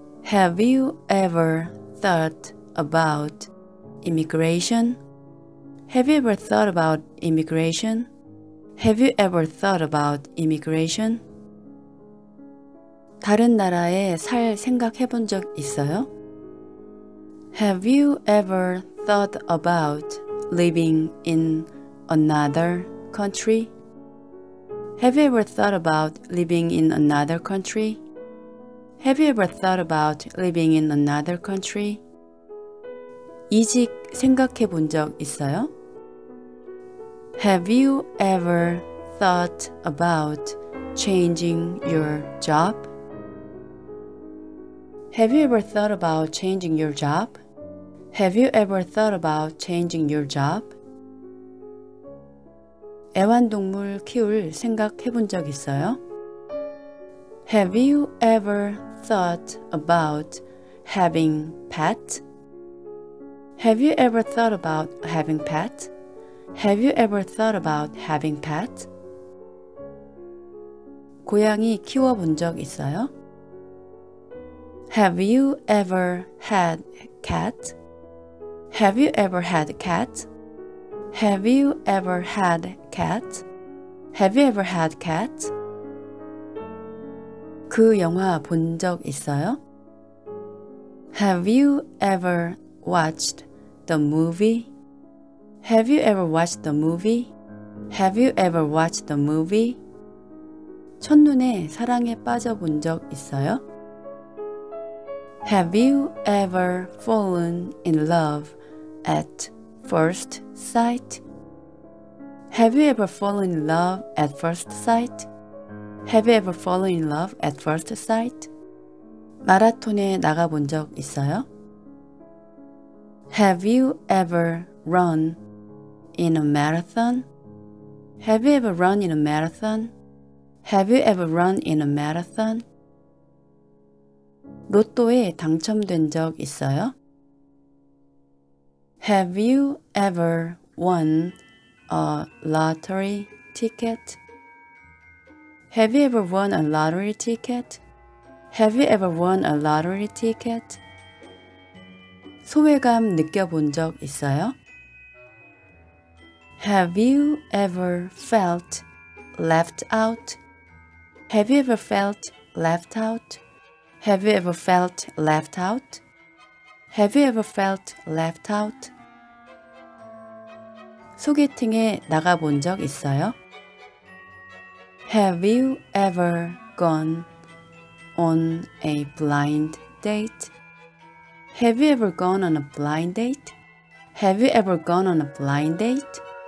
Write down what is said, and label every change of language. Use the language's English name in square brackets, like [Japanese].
[English] Have you ever thought about immigration? Have you ever thought about immigration? Have you ever thought about immigration? [Korean] 다른 나라에 살 생각해 본 적 있어요? [English] Have you ever thought about living in another country? Have you ever thought about living in another country? Have you ever thought about living in another country? [Korean] 이직 생각해 본 적 있어요? [English] Have you ever thought about changing your job? Have you ever thought about changing your job? Have you ever thought about changing your job? [Korean] 애완동물 키울 생각해 본 적 있어요? [English] Have you ever thought about having pet? Have you ever thought about having pet? Have you ever thought about having pet? [Korean] 고양이 키워 본 적 있어요? [English] Have you ever had cat? Have you ever had cat? Have you ever had cat? Have you ever had cat? [Korean] 그 영화 본 적 있어요? [English] Have you ever watched the movie? Have you ever watched the movie? Have you ever watched the movie? [Korean] 첫눈에 사랑에 빠져 본 적 있어요? [English] Have you ever fallen in love at first sight? Have you ever fallen in love at first sight? Have you ever fallen in love at first sight? [Korean] 마라톤에 나가 본 적 있어요? [English] Have you ever run in a marathon? Have you ever run in a marathon? Have you ever run in a marathon? [Korean] 로또에 당첨된 적 있어요? [English] Have you ever won a lottery ticket? Have you ever won a lottery ticket? Have you ever won a lottery ticket? [Korean] 소외감 느껴본 적 있어요? [English] Have you ever felt left out? Have you ever felt left out? Have you ever felt left out? Have you ever felt left out? [Korean] 소개팅에 나가 본 적 있어요? [English] Have you ever gone on a blind date? Have you ever gone on a blind date? Have you ever gone on a blind date?